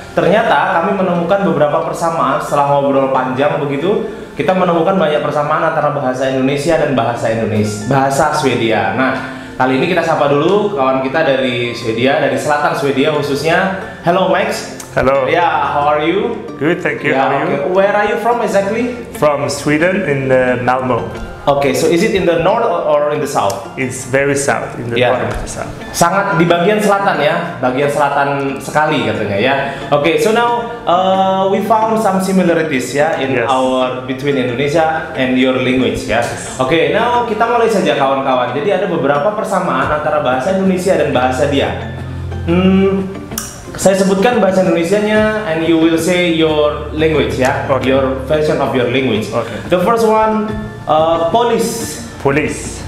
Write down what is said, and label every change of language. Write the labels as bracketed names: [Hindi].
[Indonesian] Ternyata kami menemukan beberapa persamaan setelah ngobrol panjang begitu. Kita menemukan banyak persamaan antara bahasa Indonesia dan bahasa Swedia. Nah, kali ini kita sapa dulu kawan kita dari Swedia, dari selatan Swedia khususnya. [English] Hello Max. Hello. Yeah, how are you? Good, thank you. Yeah, how are you? Okay. Where are you from exactly? From Sweden in Malmo. Okay, so is it in the north or in the south? It's very south, in the bottom of the south. [Indonesian] Sangat di bagian selatan ya, bagian selatan sekali katanya ya. [English] Okay, so now we found some similarities ya in our between Indonesia and your language ya. [Indonesian] Okay, now kita mulai saja kawan-kawan. Jadi ada beberapa persamaan antara bahasa Indonesia dan bahasa dia. Saya sebutkan bahasa Indonesianya [English] and you will say your language ya, your version of your language. Okay. The first one, police. Police.